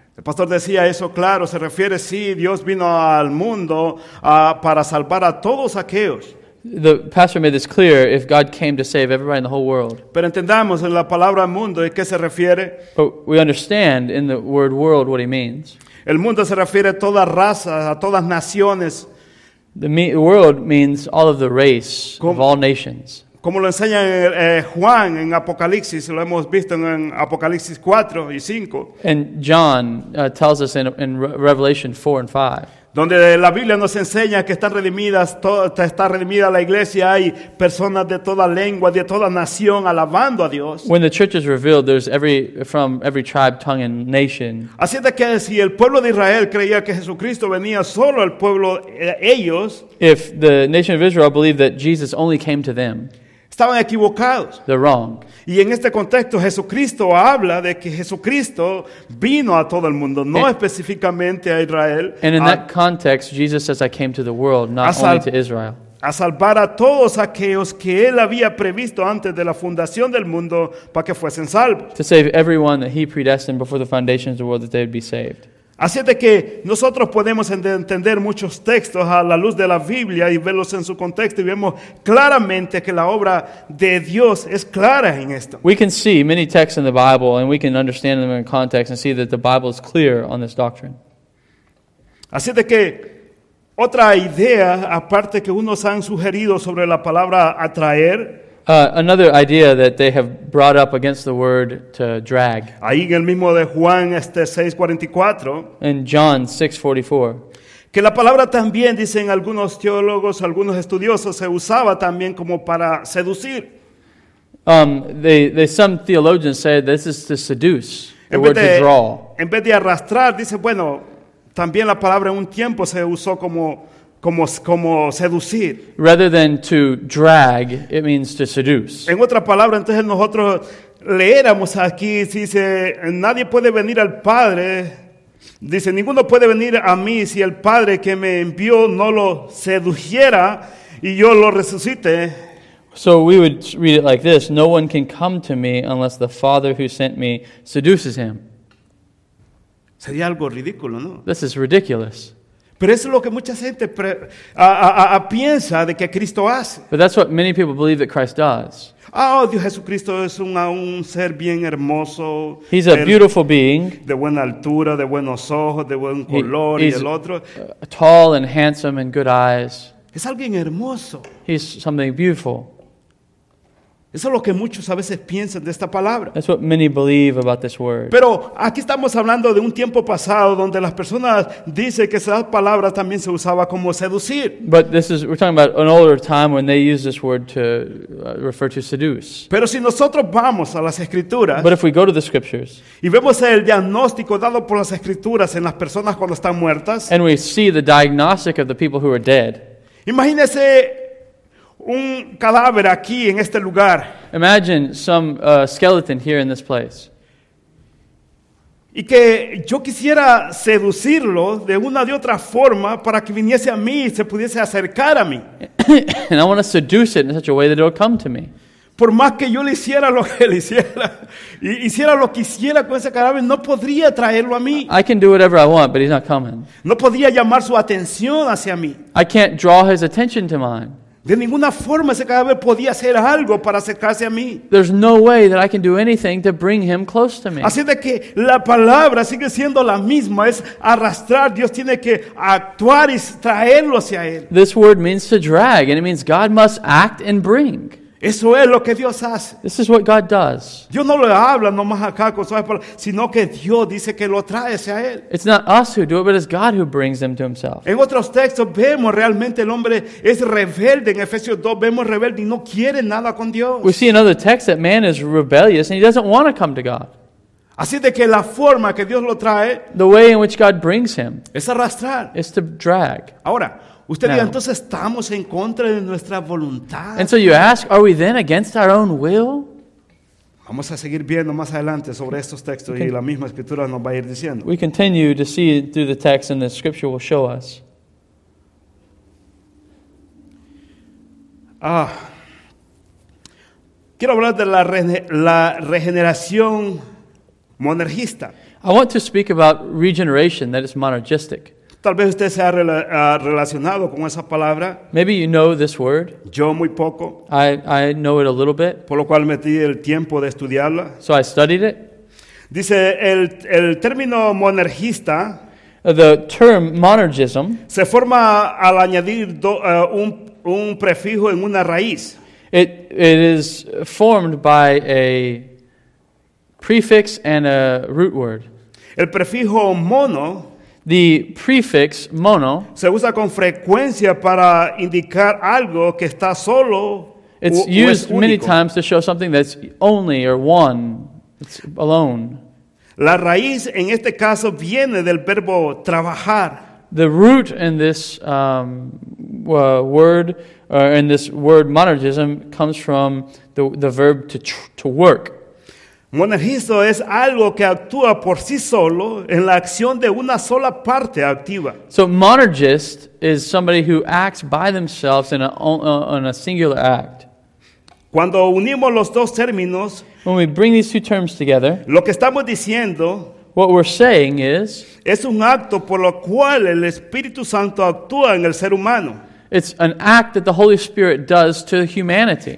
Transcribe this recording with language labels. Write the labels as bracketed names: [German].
[Spanish] El pastor decía eso, claro, se refiere, sí, Dios vino al mundo para salvar a todos aquellos. [English] The pastor made this clear, if God came to save everybody in the whole world. [Spanish] Pero entendamos en la palabra mundo, ¿a qué se refiere? [English] But we understand in the word world what he means. [Spanish] El mundo se refiere a toda raza, a todas naciones. [English] The world means all of the race, of all nations. [Spanish] Como lo enseña Juan en Apocalipsis, lo hemos visto en Apocalipsis 4 y 5. [English] And John tells us in Revelation 4 and 5. [Spanish] Donde la Biblia nos enseña que están redimidas, está redimida la iglesia, hay personas de toda lengua, de toda nación, alabando a Dios. [English] When the church is revealed, there's every from every tribe, tongue, and nation. [Spanish] Así es de que si el pueblo de Israel creía que Jesucristo venía solo al pueblo ellos, [English] if the nation of Israel believed that Jesus only came to them, [Spanish] estaban equivocados. [English] They're wrong. [Spanish] Y en este contexto, Jesucristo habla de que Jesucristo vino a todo el mundo, no específicamente a Israel. [English] And in that context, Jesus says, I came to the world, not only to Israel. [Spanish] A salvar a todos aquellos que él había previsto antes de la fundación del mundo para que fuesen salvos. [English] To save everyone that he predestined before the foundations of the world that they would be saved. [Spanish] Así es de que nosotros podemos entender muchos textos a la luz de la Biblia y verlos en su contexto y vemos claramente que la obra de Dios es clara en esto. [English] We can see many texts in the Bible and we can understand them in context and see that the Bible is clear on this doctrine. [Spanish] Así es de que otra idea, aparte que unos han sugerido sobre la palabra atraer, [English] Another idea that they have brought up against the word to drag. [Spanish] Ahí en el mismo de Juan 6:44. [English] In John 6:44. [Spanish] Que la palabra también, dicen algunos teólogos, algunos estudiosos, se usaba también como para seducir. [English] Some theologians say this is to seduce, the word to draw. [Spanish] En vez de arrastrar, dice, bueno, también la palabra en un tiempo se usó como... Como seducir. [English] Rather than to drag, it means to seduce. [Spanish] En otra palabra, entonces nosotros leéramos aquí, dice, nadie puede venir al Padre, dice, ninguno puede venir a mí si el Padre que me envió no lo sedujera y yo lo resucite. [English] So we would read it like this, no one can come to me unless the Father who sent me seduces him. [Spanish] Sería algo ridículo, ¿no? [English] This is ridiculous. [Spanish] Pero eso es lo que mucha gente piensa de que Cristo hace. [English] But that's what many people believe that Christ does. [Spanish] Oh, Dios Jesucristo es un ser bien hermoso. [English] He's a beautiful being. [Spanish] De buena altura, de buenos ojos, de buen color y el otro. [English] He's tall and handsome and good eyes. [Spanish] Es alguien hermoso. [English] He's something beautiful. [Spanish] Eso es lo que muchos a veces piensan de esta palabra. [English] That's what many believe about this word. [Spanish] Pero aquí estamos hablando de un tiempo pasado donde las personas dicen que esa palabra también se usaba como seducir. [English] But we're talking about an older time when they used this word to refer to seduce. [Spanish] Pero si nosotros vamos a las escrituras, [English] but if we go to the scriptures, [Spanish] y vemos el diagnóstico dado por las escrituras en las personas cuando están muertas, [English] and we see the diagnostic of the people who are dead. [Spanish] Imagínese un cadáver aquí en este lugar. [English] Imagine some skeleton here in this place. [Spanish] Y que yo quisiera seducirlo de una de otra forma para que viniese a mí y se pudiese acercar a mí. [English] And I want to seduce it in such a way that it'll come to me. [Spanish] Por más que yo le hiciera lo que le hiciera, hiciera lo que hiciera con ese cadáver, no podría traerlo a mí. [English] I can do whatever I want, but he's not coming. [Spanish] No podría llamar su atención hacia mí. [English] I can't draw his attention to mine. [Spanish] De ninguna forma ese cadáver podía hacer algo para acercarse a mí. [English] There's no way that I can do anything to bring him close to me. [Spanish] Así de que la palabra sigue siendo la misma, es arrastrar. Dios tiene que actuar y traerlo hacia él. [English] This word means to drag, and it means God must act and bring. [Spanish] Eso es lo que Dios hace. [English] This is what God does. [Spanish] Dios no lo habla nomás acá con su palabra, sino que Dios dice que lo trae hacia él. [English] It's not us who do it, but it's God who brings them to himself. [Spanish] En otros textos vemos realmente el hombre es rebelde. En Efesios 2 vemos rebelde y no quiere nada con Dios. [English] We see in other texts that man is rebellious and he doesn't want to come to God. [Spanish] Así de que la forma que Dios lo trae, [English] the way in which God brings him, [Spanish] es arrastrar. [English] It's to drag. [Spanish] Ahora, usted dirá, entonces estamos en contra de nuestra voluntad. [English] And so you ask, are we then against our own will? [Spanish] Vamos a seguir viendo más adelante sobre estos textos y la misma escritura nos va a ir diciendo. [English] We continue to see through the text and the scripture will show us. [Spanish] Quiero hablar de la regeneración monergista. [English] I want to speak about regeneration that is monergistic. [Spanish] Tal vez usted se ha relacionado con esa palabra. [English] Maybe you know this word. [Spanish] Yo muy poco. [English] I know it a little bit. [Spanish] Por lo cual metí el tiempo de estudiarla. [English] So I studied it. [Spanish] Dice el término monergista. [English] The term monergism. [Spanish] Se forma al añadir un prefijo en una raíz. [English] It is formed by a prefix and a root word. [Spanish] El prefijo mono. [English] The prefix mono [Spanish] se usa con frecuencia para indicar algo que está solo. [English] It's used many times to show something that's only or one. It's alone. [Spanish] La raíz en este caso viene del verbo trabajar. [English] The root in this word or in this word monergism comes from the verb to work. [Spanish] Monergismo es algo que actúa por sí solo en la acción de una sola parte activa. [English] So monergist is somebody who acts by themselves in a singular act. [Spanish] Cuando unimos los dos términos, [English] when we bring these two terms together, [Spanish] lo que estamos diciendo, [English] what we're saying is, [Spanish] es un acto por lo cual el Espíritu Santo actúa en el ser humano. [English] It's an act that the Holy Spirit does to humanity.